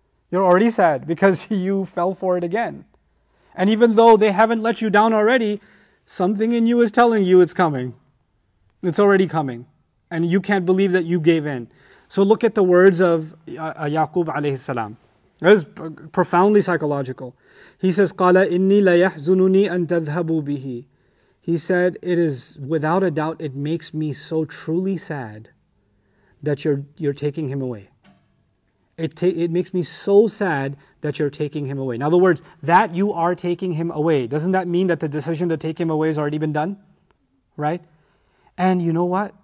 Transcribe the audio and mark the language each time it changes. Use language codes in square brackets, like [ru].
[en] You're already sad because you fell for it again. And even though they haven't let you down already, something in you is telling you it's coming. It's already coming. And you can't believe that you gave in. So look at the words of Yaqub alayhi salam. It's profoundly psychological. He says, [ar] قَالَ إِنِّي لَيَحْزُنُنِي أَن تَذْهَبُوا بِهِ. [en] He said, it is without a doubt, it makes me so truly sad that you're taking him away. It makes me so sad that you're taking him away. In other words, that you are taking him away, doesn't that mean that the decision to take him away has already been done? Right? And you know what?